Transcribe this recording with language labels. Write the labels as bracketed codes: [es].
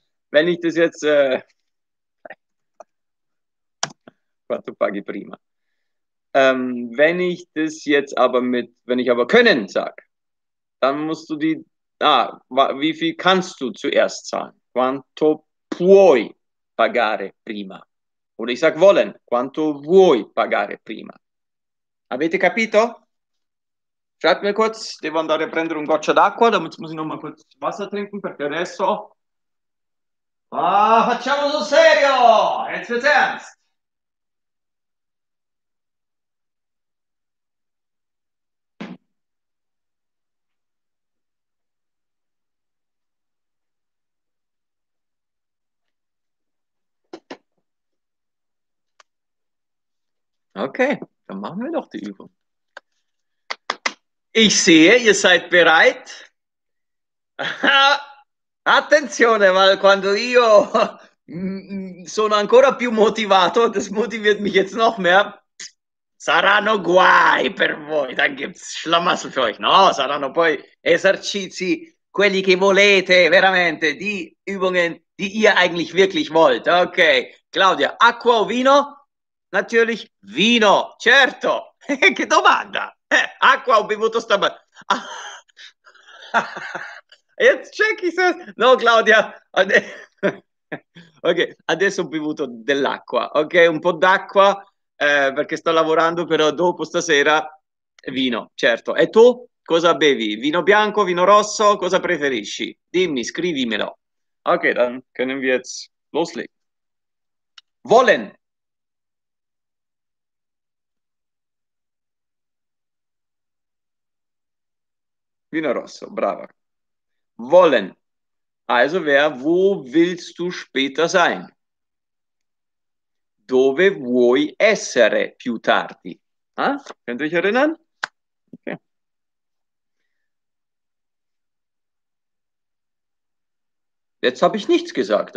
[de] Wenn ich das jetzt, [it] quanto paghi prima? [de] Wenn ich das jetzt aber mit, wenn ich aber können sag, dann musst du die, wie viel kannst du zuerst zahlen? [it] Quanto puoi pagare prima? [de] Oder ich sage wollen, [it] quanto vuoi pagare prima. Avete capito? [de] Schreibt mir kurz, [it] devo andare a prendere un goccio d'acqua, [de] damit muss ich nochmal kurz Wasser trinken, [it] perché adesso... Ah, facciamo sul serio! [de] Jetzt wird's ernst! Okay, dann machen wir doch die Übung. Ich sehe, ihr seid bereit. [it] Attenzione, weil quando io sono ancora più motivato, [de] das motiviert mich jetzt noch mehr. [it] Saranno guai per voi, [de] dann gibt's Schlamassel für euch. [it] No, saranno poi esercizi, quelli che volete, veramente, [de] die Übungen, die ihr eigentlich wirklich wollt. [it] Okay, Claudia, acqua o vino? [de] Natürlich, [it] Vino, certo. Che domanda. Acqua ho bevuto stamattina. [de] Jetzt check ich es. [it] No, Claudia. Ok, adesso ho bevuto dell'acqua. Ok, un po' d'acqua, perché sto lavorando, però dopo stasera vino, certo. E tu cosa bevi? Vino bianco, vino rosso? Cosa preferisci? Dimmi, scrivimelo. [de] Ok, dann können wir jetzt loslegen. Wollen. [it] Vino rosso, brava. [de] Wollen. Also wer, wo willst du später sein? [it] Dove vuoi essere più tardi? [de] Ah, könnt ihr euch erinnern? Okay. Jetzt habe ich nichts gesagt.